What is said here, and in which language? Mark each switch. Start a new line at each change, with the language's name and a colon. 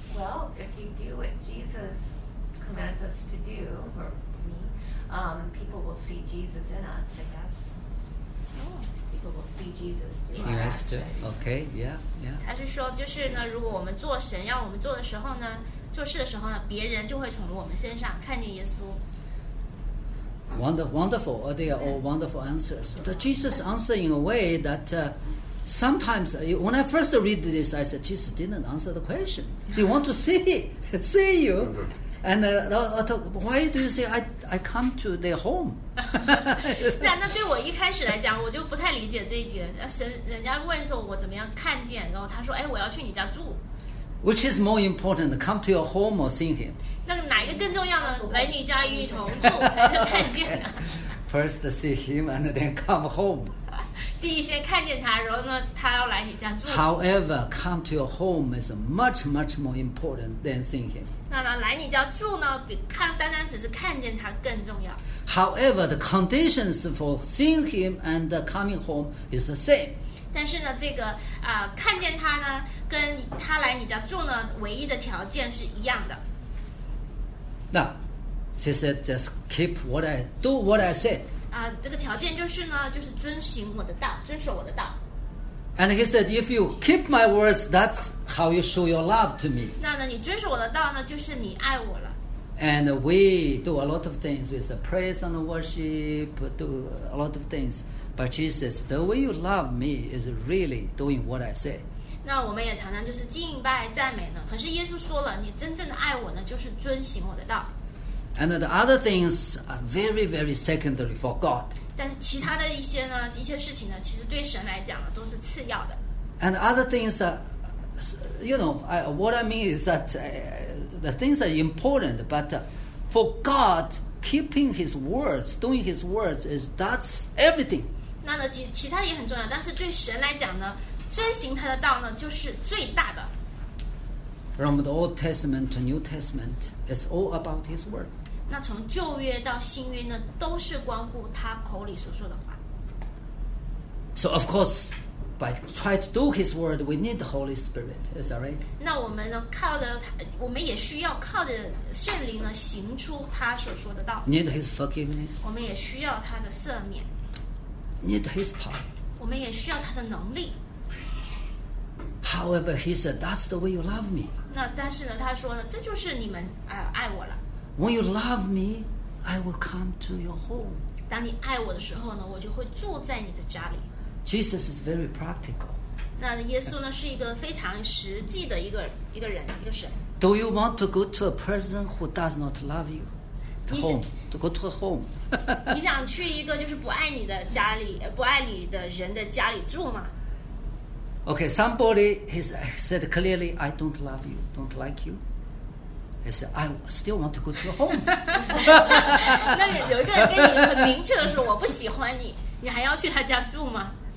English: Well, if you do what Jesus commands us to do, or me, people will see Jesus in us, I guess. Oh, people will people will see Jesus through Christ. Okay, yeah, yeah.
Chinese: 他是说，就是呢，如果我们做神要我们做的时候呢，做事的时候呢，别人就会从我们身上看见耶稣。
English: Wonderful, are they all wonderful answers? The Jesus answer in a way that sometimes, when I first read this, I said, Jesus didn't answer the question. He want to see you. And why do you say I come to their home?
Chinese: 那对我一开始来讲，我就不太理解这一节。人家问说我怎么样看见，然后他说，哎，我要去你家住。
English: Which is more important, come to your home or see him?
Chinese: 那个哪一个更重要呢？来你家与你同住才能看见呢。
English: First see him and then come home.
Chinese: 第一先看见他，然后呢，他要来你家住。
English: However, come to your home is much much more important than seeing him.
Chinese: 那来你家住呢，比看单单只是看见他更重要。
English: However, the conditions for seeing him and coming home is the same.
Chinese: 但是呢，这个看见他呢，跟他来你家住呢，唯一的条件是一样的。
English: Now, she said, just keep what I do, what I said.
Chinese: 这个条件就是呢，就是遵行我的道，遵守我的道。
English: And he said, if you keep my words, that's how you show your love to me.
Chinese: 那呢，你遵守我的道呢，就是你爱我了。
English: And we do a lot of things with praise and worship, do a lot of things. But Jesus, the way you love me is really doing what I say.
Chinese: 那我们也常常就是敬拜赞美呢。可是耶稣说了，你真正的爱我呢，就是遵行我的道。
English: And the other things are very, very secondary for God.
Chinese: 但是其他的一些呢，一些事情呢，其实对神来讲呢，都是次要的。
English: And other things are, you know, what I mean is that the things are important, but for God, keeping His words, doing His words, is that's everything.
Chinese: 那呢，其他也很重要，但是对神来讲呢，遵行他的道呢，就是最大的。
English: From the Old Testament to New Testament, it's all about His word.
Chinese: 那从旧约到新约呢，都是关乎他口里所说的话。
English: So of course, by try to do His word, we need the Holy Spirit. Is that right?
Chinese: 那我们呢，靠着他，我们也需要靠着圣灵呢，行出他所说的道。
English: Need His forgiveness.
Chinese: 我们也需要他的赦免。
English: Need His power.
Chinese: 我们也需要他的能力。
English: However, he said, "That's the way you love me."
Chinese: 那但是呢，他说呢，这就是你们爱我了。
English: When you love me, I will come to your home.
Chinese: 当你爱我的时候呢，我就会住在你的家里。
English: Jesus is very practical.
Chinese: 那耶稣呢，是一个非常实际的一个人，一个神。
English: Do you want to go to a person who does not love you? To home, to go to a home.
Chinese: 你想去一个就是不爱你的家里，不爱你的人的家里住吗？
English: Okay, somebody he said clearly, I don't love you, don't like you. He said, I still want to go to your home.
Chinese: 那有一个人跟你很明确的说，我不喜欢你，你还要去他家住吗？